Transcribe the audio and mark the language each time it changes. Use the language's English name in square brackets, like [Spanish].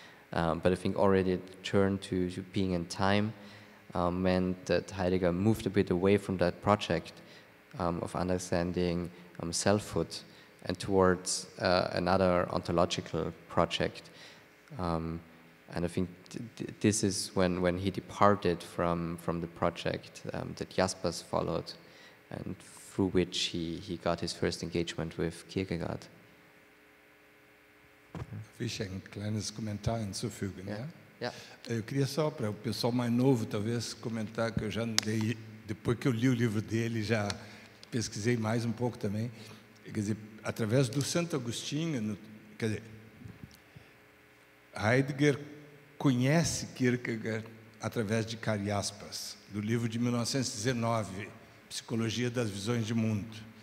[English] But I think already the turn to being in time meant that Heidegger moved a bit away from that project of understanding selfhood and towards another ontological project. And I think this is when he departed from the project that Jaspers followed, and through which he got his first engagement with Kierkegaard. [German] Darf ich ein kleines Kommentar hinzufügen? Ja. [Portuguese] Eu queria só, para o pessoal mais novo, talvez, comentar que eu já dei depois que eu li o livro dele, já pesquisei mais um pouco também. Quer dizer, através do Santo Agostinho, quer dizer, Heidegger conhece Kierkegaard através de Cariaspas, do livro de 1919, Psicologia das Visões de Mundo.